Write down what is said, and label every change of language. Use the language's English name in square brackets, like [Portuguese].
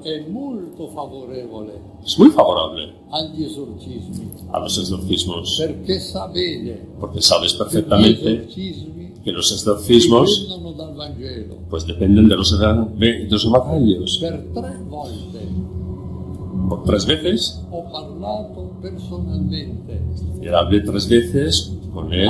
[Italian] è molto favorevole, [Spanish] es muy favorable [Italian] agli esorcismi, [Spanish] a los exorcismos, [Italian] perché sa bene, [Spanish] porque sabes perfectamente que los exorcismos pues dependen de los evangelios. [Italian] Per tre volte, [Spanish] por tres veces, [Italian] ho parlato personalmente, [Spanish] y hablé tres veces con él,